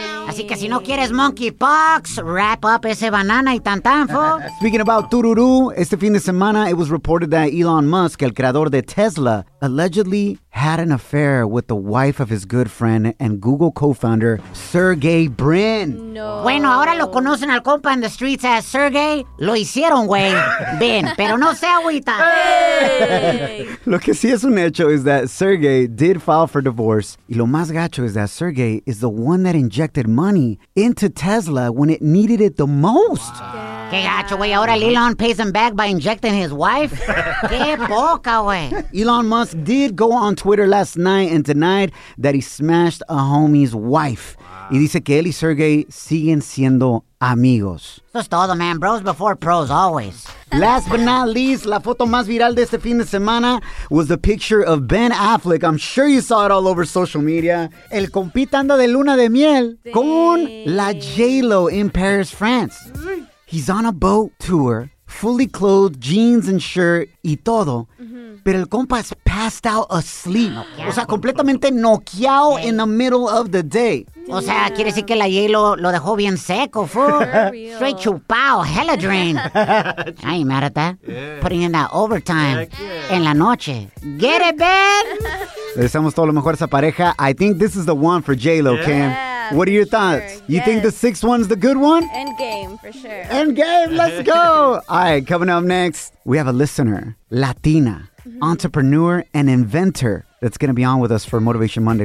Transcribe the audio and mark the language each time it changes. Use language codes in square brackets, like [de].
[es] Así que si no quieres monkeypox, [en] wrap up [es] ese banana y tantanfo. [en] Speaking about tururu, [es] este fin de semana, [en] it was reported that Elon Musk, [es] el creador de Tesla, [en] allegedly had an affair with the wife of his good friend and Google co-founder, Sergey Brin. No. [es] Bueno, ahora lo conocen al compa en [en] the streets [es] as Sergey. Lo hicieron, güey. Ben, pero no se agüita. [en] Hey. [es] Lo que sí es un hecho [en] is that Sergey did file for divorce. [es] Y lo más gacho [en] is that Sergey is the one that injected money into Tesla when it needed it the most. Wow. [es] Qué gacho, güey. Ahora [en] Elon pays him back by injecting his wife. [es] Qué poca, güey. [en] Elon Musk did go on Twitter last night and denied that he smashed a homie's wife. Wow. [es] Y dice que él y Sergey siguen siendo amigos. [en] That's all the man, bros before pros, always. Last but not least, [es] la foto más viral de este fin de semana [en] was the picture of Ben Affleck. I'm sure you saw it all over social media. [es] El compita anda de luna de miel con la J-Lo in Paris, France. [en] He's on a boat tour, fully clothed, jeans and shirt, [es] y todo. Pero el compa es [en] passed out asleep. [es] O sea, completamente noqueado [en] in the middle of the day. [es] O sea, yeah. Quiere decir que la J-Lo lo dejó bien seco, [en] fool. Straight chupado, hella drain. I ain't mad at that. Yeah. Putting in that overtime. Yeah. [es] En la noche. [en] Get it, Ben? [es] Le deseamos todo lo mejor a esa pareja. [en] I think this is the one for J-Lo, yeah. Cam. What are your thoughts? Sure. You think the sixth one's the good one? End game, for sure. End game, let's go. All right, coming up next, we have a listener, Latina, mm-hmm. entrepreneur and inventor, that's going to be on with us for Motivation Monday.